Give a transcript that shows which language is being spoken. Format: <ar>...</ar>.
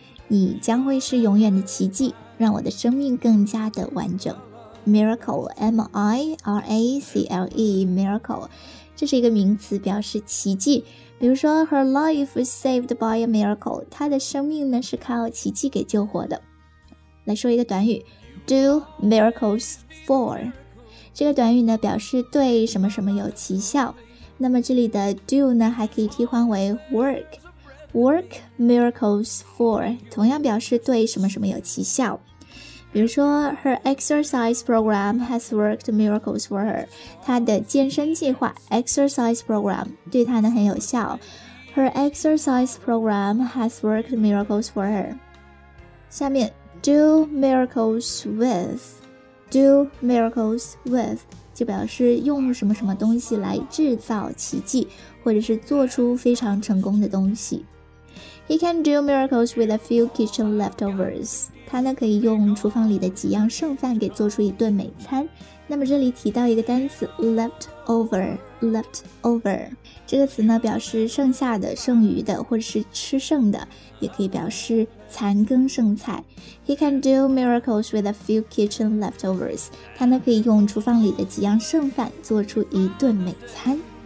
<zh>你将会是永远的奇迹，让我的生命更加的完整。</zh> <en>Miracle, M-I-R-A-C-L-E, miracle.</en> <zh>这是一个名词，表示奇迹。比如说</zh> <en>,her life is saved by a miracle.</en> <zh>她的生命呢是靠奇迹给救活的。来说一个短语 ,</zh> <en>do miracles for.</en> <zh>这个短语呢表示对什么什么有奇效。那么这里的 do 呢还可以替换为 work，</zh> <en>work miracles for，</en> <zh>同样表示对什么什么有奇效。比如说</zh> <en>her exercise program has worked miracles for her，</en> <zh>她的健身计划 exercise program 对她呢很有效。</zh> <en>her exercise program has worked miracles for her。</en> <zh>下面</zh> <en>do miracles with</en> <zh>就表示用什么什么东西来制造奇迹，或者是做出非常成功的东西。</zh> <en>He can do miracles with a few kitchen leftovers.</en> <zh>他呢可以用厨房里的几样剩饭给做出一顿美餐。那么这里提到一个单词 leftover， 这个词呢表示剩下的、剩余的，或者是吃剩的，也可以表示残羹剩菜。</zh> <en>He can do miracles with a few kitchen leftovers.</en> <zh>他呢可以用厨房里的几样剩饭做出一顿美餐。</zh>